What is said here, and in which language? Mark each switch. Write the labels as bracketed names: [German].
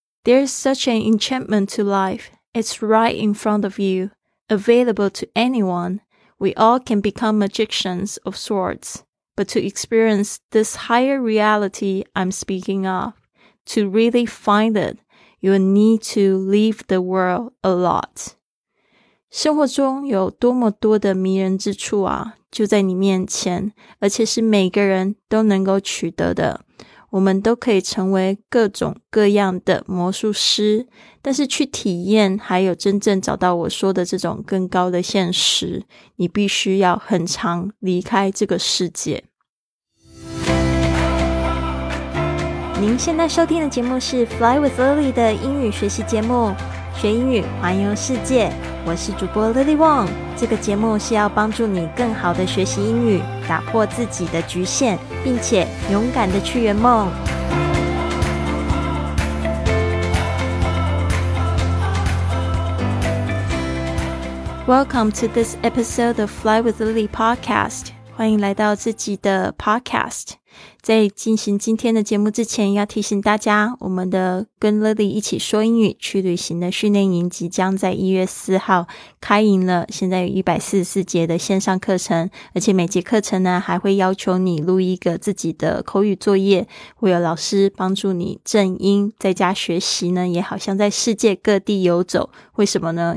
[English] There's such an enchantment to life. It's right in front of you, available to anyone. We all can become magicians of sorts. But to experience this higher reality I'm speaking of, to really find it, you'll need to leave the world a lot. [Chinese] 生活中有多么多的迷人之处啊，就在你面前，而且是每个人都能够取得的。我们都可以成为各种各样的魔术师，但是去体验还有真正找到我说的这种更高的现实，你必须要很长离开这个世界。您现在收听的节目是 Fly with Lily 的英语学习节目，学英语环游世界，我是主播 Lily Wong。这个节目是要帮助你更好的学习英语，打破自己的局限，并且勇敢的去圆梦。 [English] Welcome to this episode of Fly with Lily podcast. [Chinese] 欢迎来到自己的 podcast。在进行今天的节目之前，要提醒大家，我们的跟 Lily 一起说英语去旅行的训练营即将在1月4号开营了，现在有144节的线上课程，而且每节课程呢还会要求你录一个自己的口语作业，会有老师帮助你正音，在家学习呢也好像在世界各地游走。为什么呢？